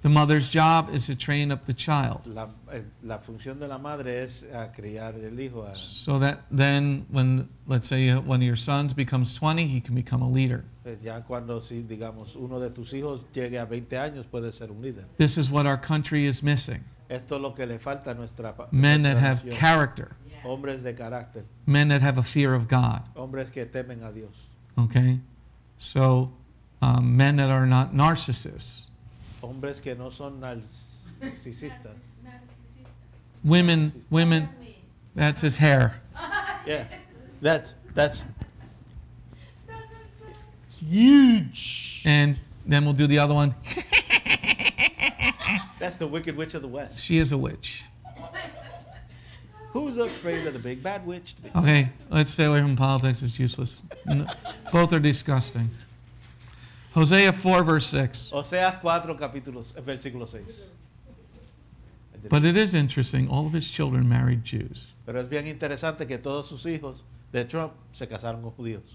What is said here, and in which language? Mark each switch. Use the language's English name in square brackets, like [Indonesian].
[English] The mother's job is to train up the child. [Spanish] La función de la madre es a criar el hijo. [English] So that then, when let's say one of your sons becomes 20, he can become a leader. [Spanish] Ya cuando si digamos uno de tus hijos llegue a 20 años puede ser un líder. [English] This is what our country is missing. [Spanish] Esto es lo que le falta a nuestra. [English] Men that have character. [Spanish] Hombres de carácter. [English] Men that have a fear of God. [Spanish] Hombres que temen a Dios. [English] Okay. So, men that are not narcissists. [Spanish] Hombres que no son narcisistas. [English] Women, that's his hair. Yeah, that's huge. And then we'll do the other one. That's the Wicked Witch of the West. She is a witch. Who's afraid of the big bad witch? Okay, let's stay away from politics. It's useless. Both are disgusting. Hosea 4, verse 6. [Spanish] Hosea 4, capítulo, versículo 6. [English] But it is interesting, all of his children married Jews. [Spanish] Pero es bien interesante que todos sus hijos de Trump se casaron con judíos.